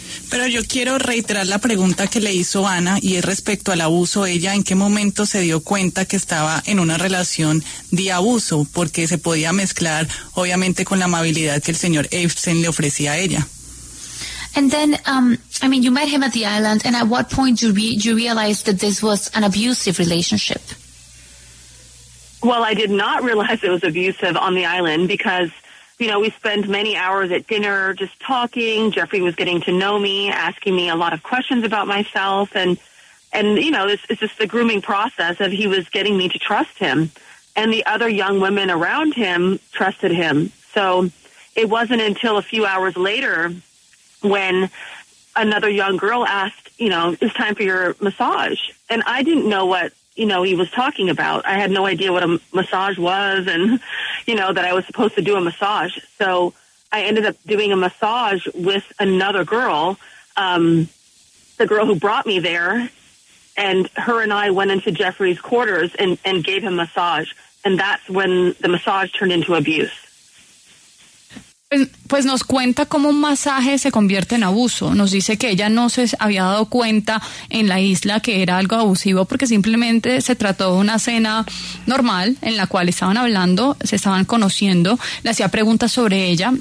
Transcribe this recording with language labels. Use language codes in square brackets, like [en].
[es] Pero yo quiero reiterar la pregunta que le hizo Ana y es respecto al abuso. Ella, ¿en qué momento se dio cuenta que estaba en una relación de abuso? Porque se podía mezclar, obviamente, con la amabilidad que el señor Epstein le ofrecía a ella. [en] And then, I mean, you met him at the island, and at what point you realized that this was an abusive relationship? Well, I did not realize it was abusive on the island because, you know, we spent many hours at dinner just talking. Jeffrey was getting to know me, asking me a lot of questions about myself. And you know, it's just the grooming process of he was getting me to trust him. And the other young women around him trusted him. So it wasn't until a few hours later when another young girl asked, you know, it's time for your massage. And I didn't know what, you know, he was talking about. I had no idea what a massage was and, you know, that I was supposed to do a massage. So I ended up doing a massage with another girl, the girl who brought me there. And her and I went into Jeffrey's quarters and gave him a massage. And that's when the massage turned into abuse. [es] Pues nos cuenta cómo un masaje se convierte en abuso. Nos dice que ella no se había dado cuenta en la isla que era algo abusivo porque simplemente se trató de una cena normal en la cual estaban hablando, se estaban conociendo, le hacía preguntas sobre ella.